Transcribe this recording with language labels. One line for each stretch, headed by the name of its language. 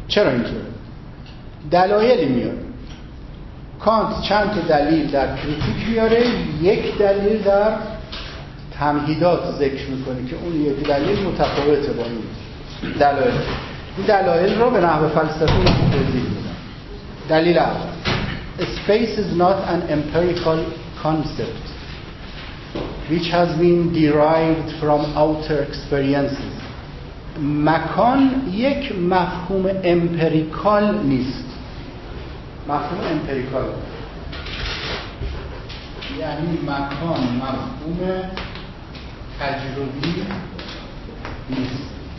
Persian: چرا اینطوره؟ دلایلی میاد کانت، چند تا دلیل در کریتیک میاره، یک دلیل در تمهیدات ذکر میکنه که اون یک دلیل متفاوته با این دلایل. این دلایل رو به نحو فلسفی توضیح میدم. دلیل اول،
English: space is not an empirical concept which has been derived from outer experiences.
Persian: مکان یک مفهوم امپریکال نیست. مفهوم امپریکال یعنی مکان مفهوم تجربی نیست.